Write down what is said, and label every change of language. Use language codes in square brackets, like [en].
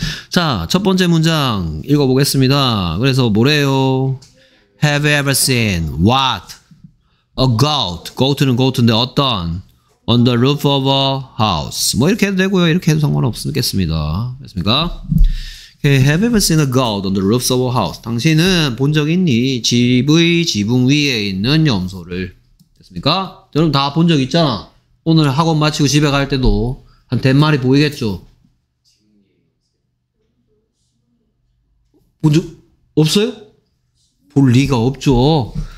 [ko] 자, 첫 번째 문장 읽어보겠습니다. 그래서 뭐래요? [en] Have you ever seen what? A goat. Goat는 goat인데 어떤? On the roof of a house. [ko] 뭐 이렇게 해도 되고요. 이렇게 해도 상관없겠습니다. 됐습니까? [en] Okay, have you ever seen a goat on the roof of a house? [ko] 당신은 본 적 있니? 집의 지붕 위에 있는 염소를. 됐습니까? 여러분 다 본 적 있잖아. 오늘 학원 마치고 집에 갈 때도 한 100마리 보이겠죠? 뭐죠? 없어요? 볼 리가 없죠.